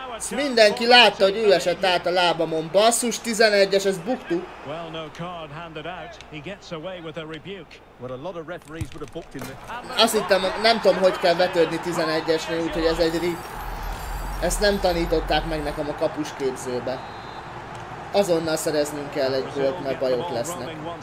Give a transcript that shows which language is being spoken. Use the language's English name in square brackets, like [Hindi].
[Hungarian] Mindenki látta, hogy ő esett át a lábamon. Basszus, 11-es, ezt buktuk. [English] Well, no card handed out. He gets away with a rebuke. What a lot of referees would have booked him. [Hungarian] Azt hittem, nem tudom, hogy kell vetődni 11-esnél, úgyhogy ez egy rip. Ezt nem tanították meg nekem a kapusképzőbe. Azonnal szereznünk kell egy gólt, mert bajok lesznek.